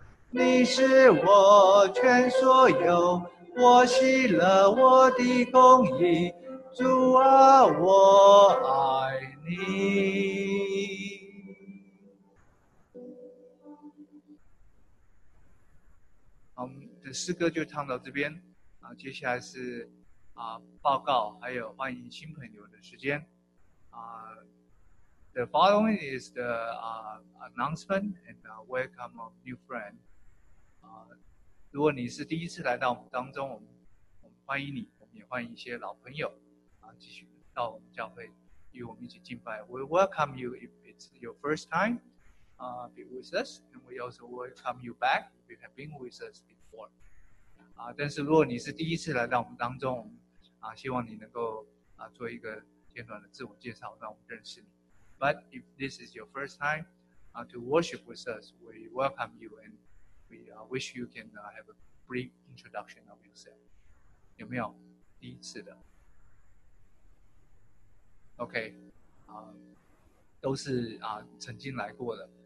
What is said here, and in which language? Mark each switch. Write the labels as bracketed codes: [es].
[zh] 你是我全所有，我喜乐我的公义，主啊我爱你。好，我们的诗歌就唱到这边，然后接下来是报告还有欢迎新朋友的时间。 [en] The following is the announcement and welcome of new friend. [zh] 如果你是第一次来到我们当中，我们欢迎你，我们也欢迎一些老朋友继续到我们教会与我们一起敬拜。 [en] We welcome you if it's your first time be with us, and we also welcome you back if you have been with us before. [zh] 但是如果你是第一次来到我们当中，希望你能够做一个简短的自我介绍，让我们认识你。 [en] But if this is your first time to worship with us, we welcome you and we wish you can have a brief introduction of yourself. [zh] 有没有第一次的 ？OK， 都是曾经来过的。